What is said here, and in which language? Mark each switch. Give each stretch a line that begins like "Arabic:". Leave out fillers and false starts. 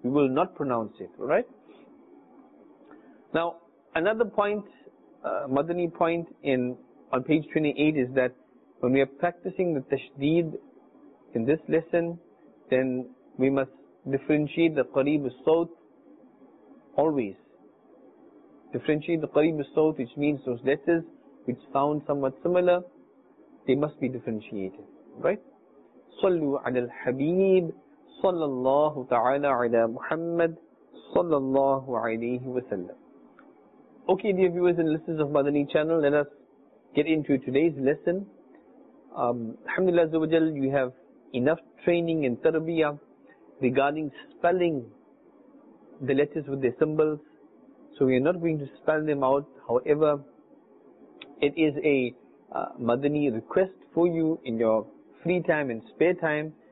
English: We will not pronounce it, alright? Now, another point, Madani point on page 28 is that when we are practicing the tashdeed in this lesson, then we must differentiate the qareeb as-sawt always. Differentiate the qareeb as-sawt, which means those letters which sound somewhat similar, they must be differentiated, right?
Arabic: Sallu ala al-habib صلى الله تعالى على محمد صلى الله عليه وسلم.
English: Okay, dear viewers and listeners of Madani channel, let us get into today's lesson. Alhamdulillah Azza wa Jal, you have enough training and tarbiyah regarding spelling the letters with their symbols. So we are not going to spell them out. However, it is a Madani request for you in your free time and spare time.